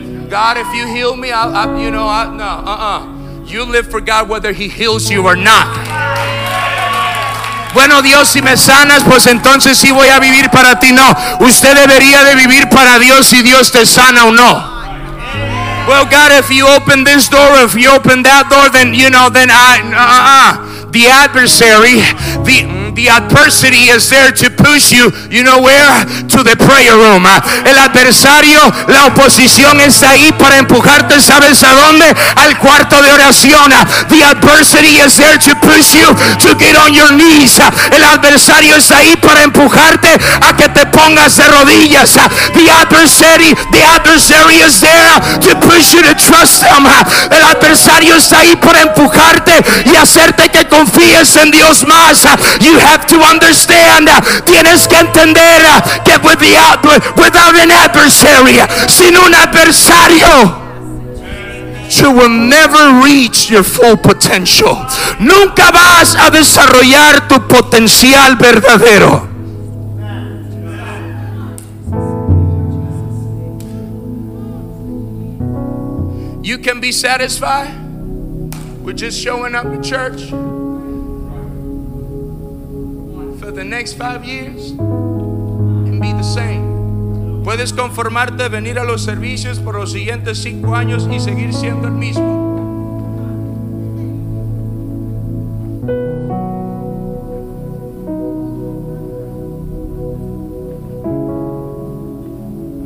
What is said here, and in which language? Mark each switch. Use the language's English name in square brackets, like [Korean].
[English] God, if you heal me, you live for God whether he heals you or not. [Spanish] Bueno, Dios, si me sanas, pues entonces sí voy a vivir para ti. No, usted debería de vivir para Dios si Dios te sana o no. [English] Well, God, if you open this door, if you open that door, then, you know, then I, the adversary, the adversity is there to put. push you, you know where? To the prayer room. [Spanish] El adversario, la oposición está ahí para empujarte, ¿sabes a dónde? Al cuarto de oración. [English] The adversity is there to push you to get on your knees. [Spanish] El adversario está ahí para empujarte a que te pongas de rodillas. [English] The adversary is there to push you to trust him. [Spanish] El adversario está ahí para empujarte y hacerte que confíes en Dios más. [English] You have to understand, [Spanish] tienes que entender que [English] without an adversary, [Spanish] sin un adversario, [English] you will never reach your full potential. [Spanish] Nunca vas a desarrollar tu potencial verdadero. [English] You can be satisfied with just showing up to church for the next 5 years and be the same. [Spanish] Puedes conformarte a venir a los servicios por los siguientes 5 años y seguir siendo el mismo.